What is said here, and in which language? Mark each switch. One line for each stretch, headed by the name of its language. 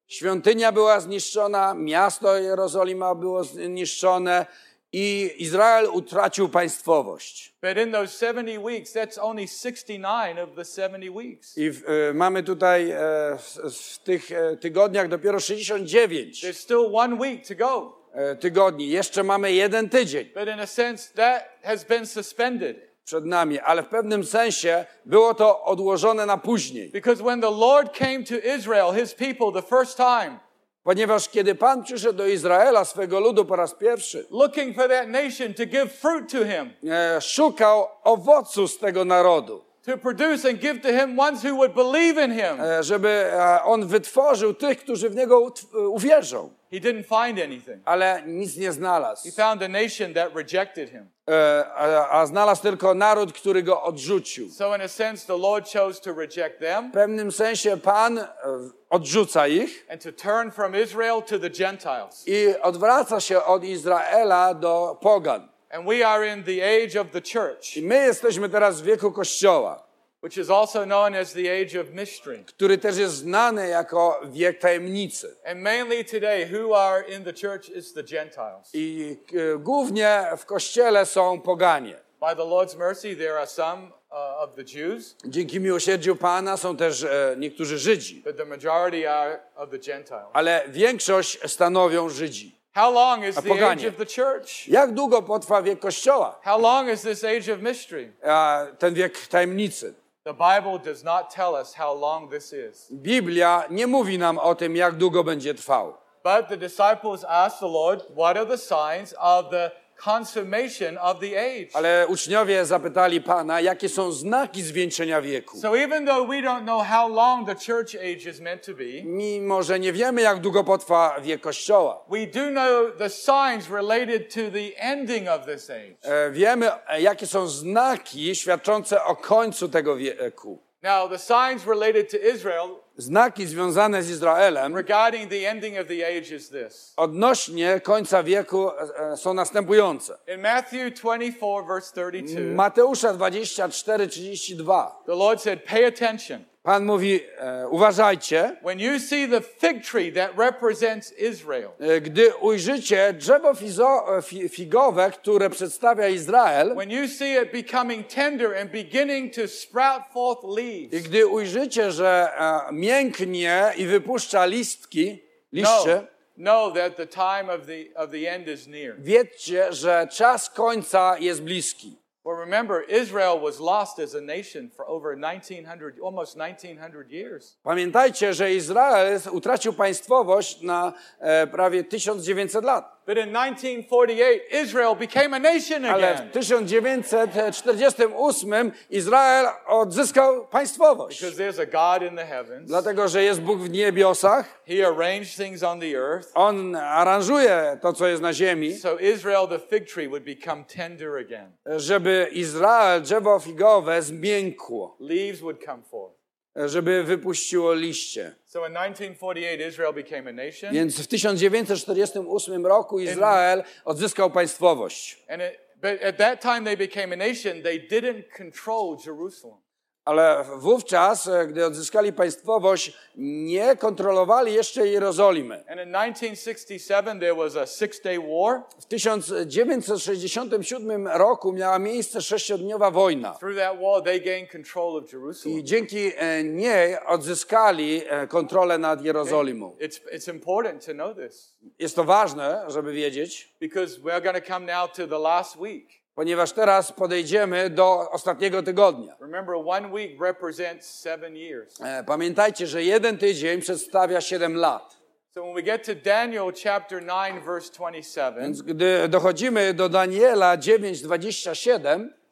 Polish: Świątynia była zniszczona, miasto Jerozolima było zniszczone. I Izrael utracił państwowość.
English: But in those 70 weeks, that's only 69 of the 70 weeks.
Polish: I mamy tutaj w tych tygodniach dopiero 69.
English: There's still 1 week to go.
Polish: Tygodni. Jeszcze mamy jeden tydzień.
English: But in a sense, that has been suspended.
Polish: Przed nami. Ale w pewnym sensie było to odłożone na później.
English: Because when the Lord came to Israel, his people, the first time,
Polish: ponieważ kiedy Pan przyszedł do Izraela, swego ludu po raz pierwszy,
English: looking for that nation to give fruit to him,
Polish: szukał owocu z tego narodu,
English: to produce and give to him ones who would believe in him,
Polish: żeby on wytworzył tych, którzy w niego uwierzą.
English: He didn't find anything.
Polish: Ale nic nie znalazł.
English: He found a nation that rejected him.
Polish: A znalazł tylko naród, który go odrzucił.
English: So in a sense, the Lord chose to reject them.
Polish: W pewnym sensie Pan odrzuca ich.
English: And to turn from Israel to the Gentiles.
Polish: I odwraca się od Izraela do pogan.
English: And we are in the age of the church.
Polish: I my jesteśmy teraz w wieku Kościoła.
English: Which is also known as the age of mystery.
Polish: Który też jest znany jako wiek tajemnicy.
English: And mainly today, who are in the church is the Gentiles.
Polish: I głównie w kościele są poganie.
English: By the Lord's mercy, there are some of the Jews.
Polish: Dzięki miłosierdziu Pana są też niektórzy Żydzi.
English: But the majority are of the Gentiles.
Polish: Ale większość stanowią Żydzi.
English: How long is the age of the church?
Polish: Jak długo potrwa wiek kościoła?
English: How long is this age of mystery?
Polish: Ten wiek tajemnicy.
English: The Bible does not tell us how long this is.
Polish: Biblia nie mówi nam o tym, jak długo będzie trwał.
English: But the disciples asked the Lord, what are the signs of the consummation of the age?
Polish: Ale uczniowie zapytali Pana, jakie są znaki zwieńczenia wieku.
English: So even though we don't know how long the church age is meant to be,
Polish: mimo że nie wiemy, jak długo potrwa wiek Kościoła,
English: we do know the signs related to the ending of this age.
Polish: Wiemy, jakie są znaki świadczące o końcu tego wieku.
English: Now the signs related to Israel,
Polish: znaki związane z Izraelem,
English: regarding the ending of the age is this.
Polish: Odnośnie końca wieku są następujące.
English: In Matthew 24, verse 32,
Polish: Mateusza 24, 32,
English: the Lord said, pay attention.
Polish: Pan mówi, uważajcie.
English: When you see the fig tree that represents Israel,
Polish: gdy ujrzycie drzewo figowe, które przedstawia Izrael,
English: when you see it becoming tender and beginning to sprout forth leaves,
Polish: i gdy ujrzycie, że mięknie i wypuszcza listki, liście,
English: know that the time of the end is near.
Polish: Wiedzcie, że czas końca jest bliski.
English: Well, remember, Israel was lost as a nation for over 1900, almost 1900 years.
Polish: Pamiętajcie, że Izrael utracił państwowość na prawie 1900 lat.
English: But in 1948, Israel became a nation again.
Polish: Ale w 1948 Izrael odzyskał państwowość.
English: Because there's a God in the heavens.
Polish: Dlatego, że jest Bóg w niebiosach.
English: He arranged things on the earth.
Polish: On aranżuje to, co jest na ziemi.
English: So Israel, the fig tree, would become tender again.
Polish: Żeby Izrael, drzewo figowe, zmiękło.
English: Leaves would come forth.
Polish: Żeby wypuściło liście.
English: So in 1948 Israel became a nation.
Polish: Więc w 1948 roku Izrael odzyskał państwowość.
English: But at that time they became a nation, they didn't control Jerusalem.
Polish: Ale wówczas, gdy odzyskali państwowość, nie kontrolowali jeszcze Jerozolimy.
English: And in 1967 there was a six-day war.
Polish: W 1967 roku miała miejsce sześciodniowa wojna.
English: Through that war they gained control of Jerusalem.
Polish: I dzięki niej odzyskali kontrolę nad Jerozolimą.
English: It's important to know this.
Polish: Jest to ważne, żeby wiedzieć.
English: Because we are going to come now to the last week.
Polish: Ponieważ teraz podejdziemy do ostatniego tygodnia.
English: Remember, one week represents 7 years.
Polish: Pamiętajcie, że jeden tydzień przedstawia 7 lat.
English: So when we get to Daniel chapter 9, verse 27,
Polish: więc gdy dochodzimy do Daniela 9:27,